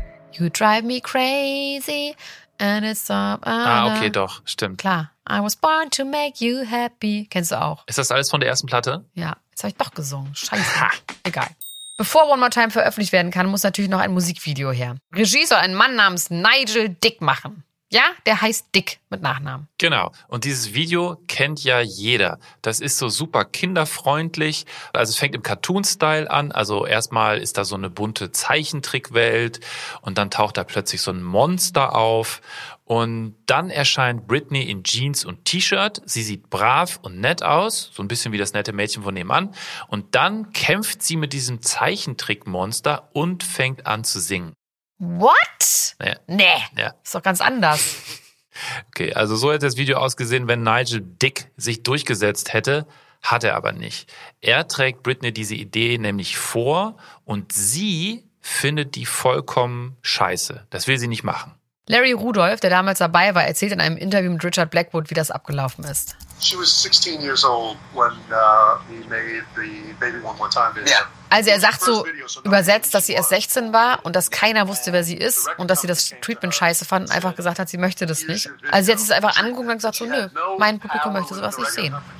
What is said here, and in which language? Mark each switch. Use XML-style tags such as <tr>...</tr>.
<en>You drive me crazy and it's up.</en> <de>Okay, doch, stimmt. Klar.</de> <en>I was born to make you happy.</en> <de>Kennst du auch. Ist das alles von der ersten Platte? Ja, jetzt habe ich doch gesungen. Scheiße. Ha. Egal. Bevor One More Time veröffentlicht werden kann, muss natürlich noch ein Musikvideo her. Regie soll ein Mann namens Nigel Dick machen. Ja, der heißt Dick mit Nachnamen. Genau. Und dieses Video kennt ja jeder. Das ist so super kinderfreundlich. Also es fängt im Cartoon-Style an. Also erstmal ist da so eine bunte Zeichentrickwelt und dann taucht da plötzlich so ein Monster auf. Und dann erscheint Britney in Jeans und T-Shirt. Sie sieht brav und nett aus, so ein bisschen wie das nette Mädchen von nebenan. Und dann kämpft sie mit diesem Zeichentrickmonster und fängt an zu singen.</de> <en>What?</en> <de>Nee. Nee. Ja. Ist doch ganz anders. Okay, also so hätte das Video ausgesehen, wenn Nigel Dick sich durchgesetzt hätte. Hat er aber nicht. Er trägt Britney diese Idee nämlich vor und sie findet die vollkommen scheiße. Das will sie nicht machen. Larry Rudolph, der damals dabei war, erzählt in einem Interview mit Richard Blackwood, wie das abgelaufen ist.</de> <en>She was 16 years old when he made the Baby One More Time video. Yeah.</en> <de>Also er sagt so übersetzt, dass sie erst 16 war und dass keiner wusste, wer sie ist und dass sie das Treatment scheiße fand und einfach gesagt hat, sie möchte das nicht. Also sie hat sich einfach angeguckt und gesagt so, nö, mein Publikum möchte sowas nicht sehen.</de>